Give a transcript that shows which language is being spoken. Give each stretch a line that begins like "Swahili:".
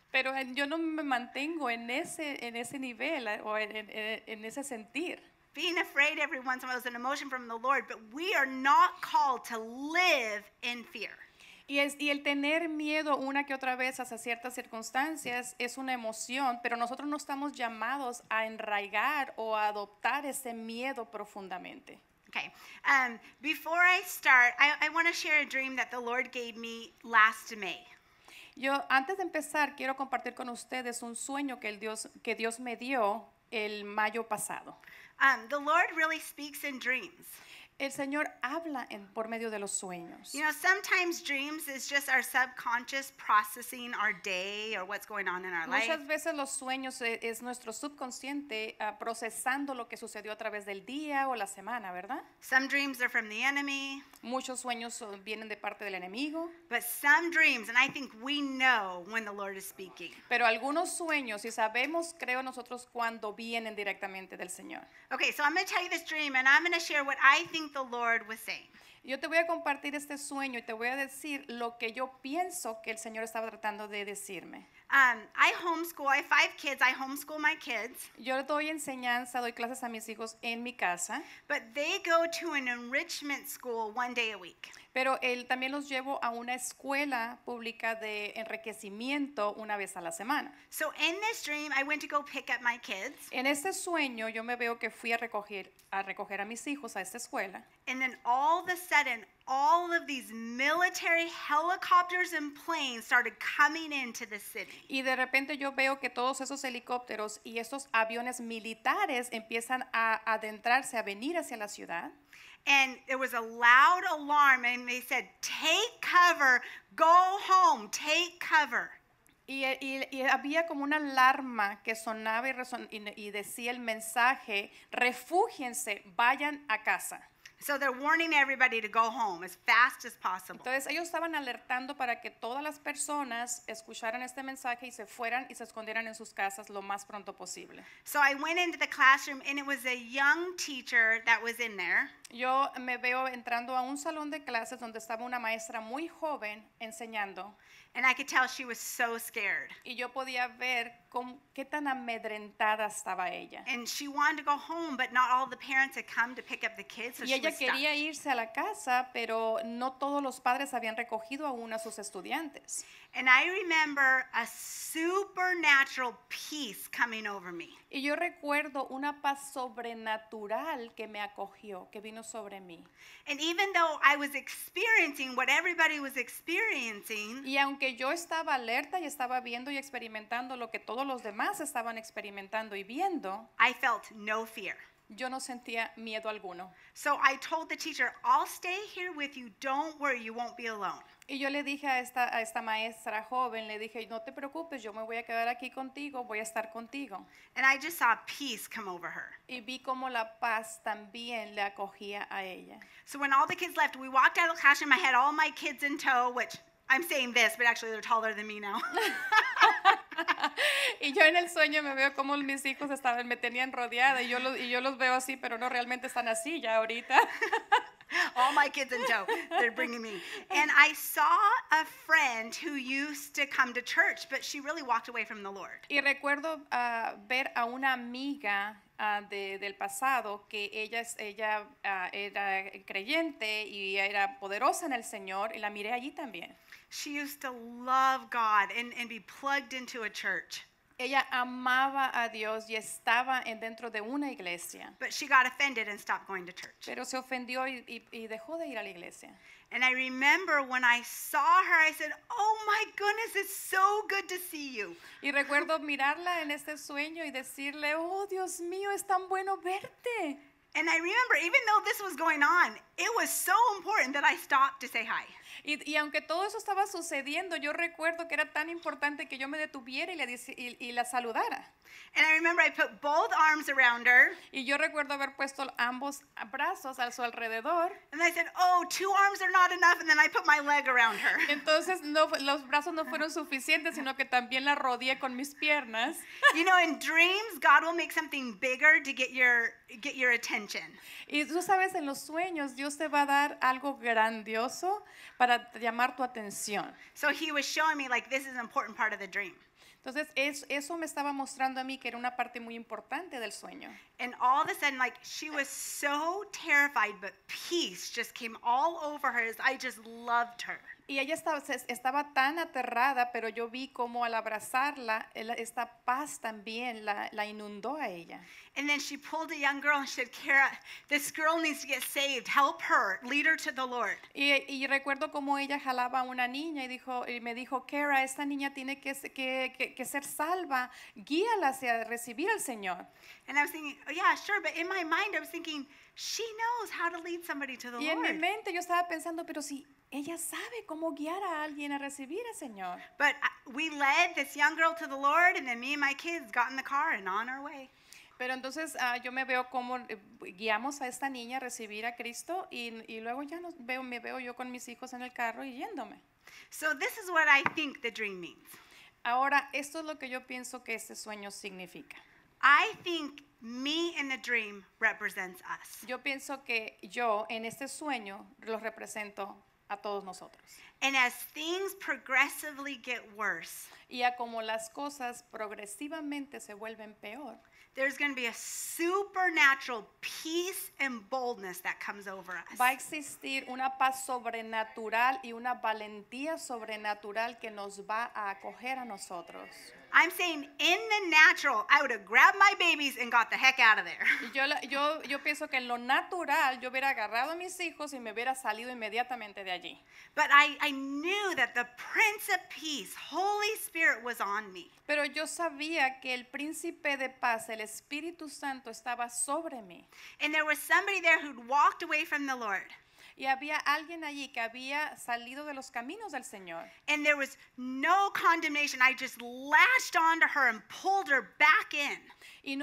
Spanish: Pero yo no me mantengo en ese nivel o en ese sentir.
English: Being afraid every once in a while is an emotion from the Lord, but we are not called to live in fear.
Spanish: Y el tener miedo una que otra vez hacia ciertas circunstancias es una emoción, pero nosotros no estamos llamados a enraigar o a adoptar ese miedo profundamente.
English: Okay. Before I start, I want to share a dream that the Lord gave me last May.
Spanish: Yo antes de empezar quiero compartir con ustedes un sueño que Dios me dio el mayo pasado.
English: The Lord really speaks in dreams.
Spanish: El Señor habla por medio de los sueños.
English: You know, sometimes dreams is just our subconscious processing our day or what's going on in our life.
Spanish: Muchas veces los sueños es nuestro subconsciente procesando lo que sucedió a través del día o la semana, ¿verdad?
English: Some dreams are from the enemy.
Spanish: Muchos sueños vienen de parte del enemigo.
English: But some dreams, and I think we know when the Lord is speaking.
Spanish: Pero algunos sueños, y sabemos, creo nosotros, cuando vienen directamente del Señor.
English: Okay, so I'm going to tell you this dream, and I'm going to share what I think the Lord was saying.
Spanish: Yo te voy a compartir este sueño y te voy a decir lo que yo pienso que el Señor estaba tratando de decirme.
English: I homeschool. I have 5 kids. I homeschool my kids.
Spanish: Yo doy enseñanza, doy clases a mis hijos en mi casa.
English: But they go to an enrichment school one day a week.
Spanish: Pero él también los llevo a una escuela pública de enriquecimiento una vez a la semana.
English: So in this dream, I went to go pick up my kids.
Spanish: En este sueño, yo me veo que fui a recoger a mis hijos a esta escuela.
English: And then all of a sudden, all of these military helicopters and planes started coming into the city.
Spanish: Y de repente yo veo que todos esos helicópteros y esos aviones militares empiezan a adentrarse, a venir hacia la ciudad.
English: And there was a loud alarm and they said, take cover, go home, take cover.
Spanish: Y había como una alarma que sonaba y decía el mensaje, refúgiense, vayan a casa.
English: So they're warning everybody to go home as fast as possible.
Spanish: Entonces ellos estaban alertando para que todas las personas escucharan este mensaje y se fueran y se escondieran en sus casas lo más pronto posible.
English: So I went into the classroom and it was a young teacher that was in there.
Spanish: Yo me veo entrando a un salón de clases donde estaba una maestra muy joven enseñando.
English: And I could tell she was so scared.
Spanish: Y yo podía ver qué tan amedrentada estaba ella.
English: And she wanted to go home, but not all the parents had come to pick up the kids, so she was stuck.
Spanish: Y ella quería irse a la casa, pero no todos los padres habían recogido aún a sus estudiantes.
English: And I remember a supernatural peace coming over me.
Spanish: Y yo recuerdo una paz sobrenatural que me acogió, que vino sobre mí.
English: And even though I was experiencing what everybody was experiencing,
Spanish: y aunque yo estaba alerta y estaba viendo y experimentando lo que todos los demás estaban experimentando y viendo,
English: I felt no fear.
Spanish: Yo no sentía miedo alguno.
English: So I told the teacher, I'll stay here with you. Don't worry, you won't be alone.
Spanish: Y yo le dije a esta maestra joven, le dije, no te preocupes, yo me voy a quedar aquí contigo, voy a estar contigo.
English: And I just saw peace come over her.
Spanish: Y vi como la paz también le acogía a ella.
English: So when all the kids left, we walked out of the classroom, I had all my kids in tow, which I'm saying this, but actually they're taller than me now.
Spanish: Y yo en el sueño me veo como mis hijos estaban, me tenían rodeada, y yo los veo así, pero no realmente están así ya ahorita.
English: All my kids in tow, they're bringing me. And I saw a friend who used to come to church, but she really walked away from the Lord.
Spanish: Y recuerdo ver a una amiga del pasado, que ella era creyente y era poderosa en el Señor, y la miré allí también.
English: She used to love God and be plugged into a church.
Spanish: Ella amaba a Dios y estaba dentro de una iglesia.
English: But she got offended and stopped going to church.
Spanish: Pero se ofendió y dejó de ir a la iglesia.
English: And I remember when I saw her, I said, oh my goodness, it's so good to see you.
Spanish: Y recuerdo mirarla en este sueño y decirle, oh Dios mío, es tan bueno verte.
English: And I remember, even though this was going on, it was so important that I stopped to say hi.
Spanish: Y aunque todo eso estaba sucediendo, yo recuerdo que era tan importante que yo me detuviera y la saludara.
English: And I remember I put both arms around her.
Spanish: Y yo recuerdo haber puesto ambos brazos a su alrededor.
English: And I said, oh, two arms are not enough, and then I put my leg around her.
Spanish: Entonces, no, los brazos no fueron suficientes, sino que también la rodeé con mis piernas.
English: You know, in dreams, God will make something bigger to get your attention.
Spanish: Y tú sabes, en los sueños, Dios te va a dar algo grandioso para llamar tu atención.
English: So he was showing me, like, this is an important part of the dream.
Spanish: Entonces, eso me estaba mostrando a mí que era una parte muy importante del sueño.
English: And all of a sudden, like, she was so terrified, but peace just came all over her as I just loved her.
Spanish: Y ella estaba tan aterrada, pero yo vi cómo al abrazarla, esta paz también la inundó a ella.
English: And then she pulled a young girl and she said, Kara, this girl needs to get saved. Help her. Lead her to the Lord.
Spanish: Y recuerdo cómo ella jalaba a una niña y me dijo, Kara, esta niña tiene que ser salva. Guíala hacia recibir al Señor.
English: And I was thinking, oh, yeah, sure, but in my mind I was thinking, she knows how to lead somebody to the Lord.
Spanish: Y en mi mente yo estaba pensando, pero si ella sabe cómo guiar a alguien a recibir al Señor.
English: But we led this young girl to the Lord, and then me and my kids got in the car and on our way.
Spanish: Pero entonces yo me veo cómo guiamos a esta niña a recibir a Cristo, y luego ya me veo yo con mis hijos en el carro y yéndome.
English: So this is what I think the dream means.
Spanish: Ahora, esto es lo que yo pienso que este sueño significa.
English: I think me in the dream represents us.
Spanish: Yo pienso que yo en este sueño lo represento a todos nosotros.
English: And as things progressively get worse,
Spanish: y a como las cosas progresivamente se vuelven peor,
English: there's going to be a supernatural peace and boldness that comes over us.
Spanish: Va a existir una paz sobrenatural y una valentía sobrenatural que nos va a acoger a nosotros.
English: I'm saying in the natural, I would have grabbed my babies and got the heck out of there.
Spanish: Yo pienso que en lo natural, yo hubiera agarrado a mis hijos y me hubiera salido inmediatamente de allí.
English: But I knew that the Prince of Peace, Holy Spirit, was on me.
Spanish: Pero yo sabía que el Príncipe de Paz, el Espíritu Santo, estaba sobre mí.
English: And there was somebody there who'd walked away from the Lord.
Spanish: Y había alguien allí que había salido de los caminos del Señor.
English: And there was no condemnation. I just latched onto her and pulled her back in.